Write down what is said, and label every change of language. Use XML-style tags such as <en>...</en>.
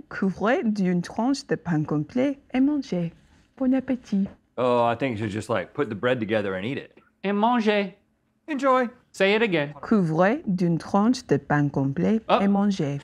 <fr>Couvrez d'une tranche de pain complet et mangez. Bon appétit.</fr> <en>Oh, I think you should just like put the bread together and eat it.</en> <fr>Et mangez.</fr> <en>Enjoy. Say it again.</en> <fr>Couvrez d'une tranche de pain complet et mangez.</fr>